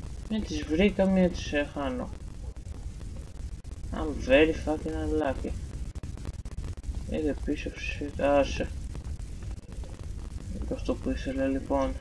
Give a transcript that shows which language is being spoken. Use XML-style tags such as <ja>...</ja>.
<el>Μια τις βρήκα, μια τις έχανω.</el> <en>I'm very fucking unlucky.</en> <el>Είδε πίσω shit, άσε. Είναι αυτό που ήθελα λοιπόν.</el>